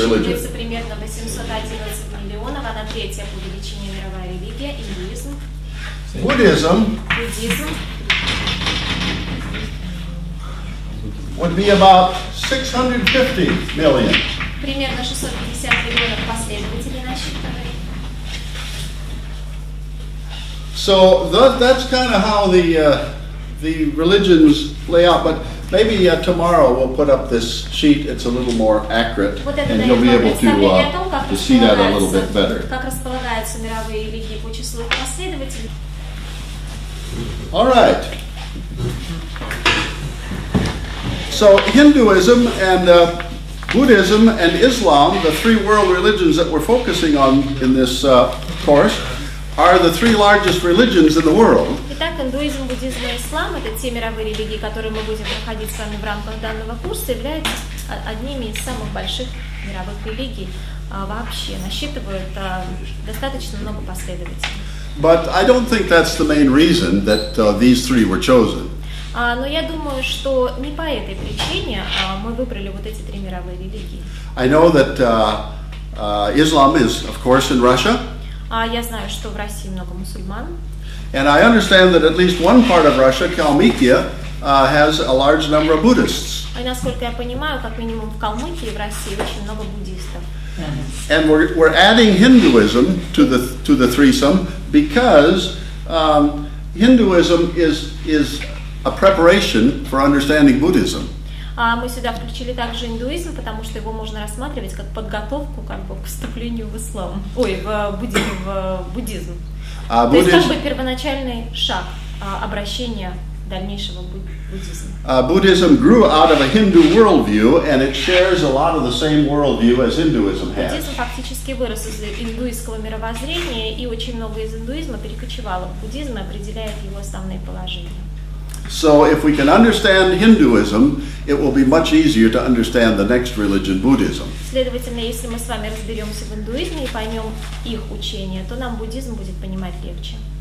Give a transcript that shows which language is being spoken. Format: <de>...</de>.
<ru>В мире насчитывается примерно 811 миллионов, она третья по величине мировая религия, индуизм. Буддизм. Буддизм.</ru> <en>Would be about 650 million.</en> <ru>Примерно 650 миллионов последователей насчитывает.</ru> <en>So that's kind of how the religions lay out. But maybe tomorrow we'll put up this sheet. It's a little more accurate, and you'll be able to see that a little bit better.</en> <ru>Как располагаются мировые религии по числу последователей?</ru> <en>All right. So Hinduism and Buddhism and Islam, the three world religions that we're focusing on in this course, are the three largest religions in the world.</en> <ru>Итак, индуизм, буддизм и ислам — это те мировые религии, которые мы будем проходить с вами в рамках данного курса, являются одними из самых больших мировых религий вообще. Насчитывают достаточно много последователей.</ru> <en>But I don't think that's the main reason that these three were chosen.</en> <ru>Но я думаю, что не по этой причине мы выбрали вот эти три мировые религии.</ru> <en>I know that Islam is, of course, in Russia.</en> <ru>Я знаю, что в России много мусульман.</ru> <en>And I understand that at least one part of Russia, Kalmykia, has a large number of Buddhists.</en> <ru>И насколько я понимаю, как минимум в Калмыкии, в России очень много буддистов.</ru> <en>And we're adding Hinduism to the threesome because Hinduism is a preparation for understanding Buddhism.</en> <ru>Мы сюда включили также индуизм, потому что его можно рассматривать как подготовку как бы, к вступлению в ислам. Ой, в буддизм. А то есть как бы первоначальный шаг обращения дальнейшего буддизма.</ru> <en>Buddhism grew out of a Hindu worldview, and it shares a lot of the same worldview as Hinduism has.</en> <ru>Буддизм фактически вырос из индуистского мировоззрения, и очень много из индуизма перекочевало в буддизм и определяет его основные положения.</ru> <en>So if we can understand Hinduism, it will be much easier to understand the next religion, Buddhism.</en> <ru>Следовательно, если мы с вами разберемся в индуизме и поймем их учения, то нам буддизм будет понимать легче.</ru>